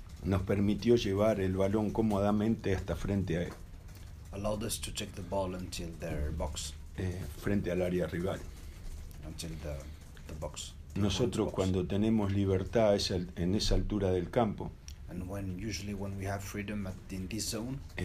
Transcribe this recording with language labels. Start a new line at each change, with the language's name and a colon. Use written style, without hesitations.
Spanish: Nos permitió llevar el balón cómodamente hasta frente a él.
English: Allowed us to take the ball until their box.
Spanish: Frente al área rival.
English: Until the box.
Spanish: Nosotros cuando tenemos libertad es en esa altura del campo.
English: And when usually when we have freedom at, in this zone.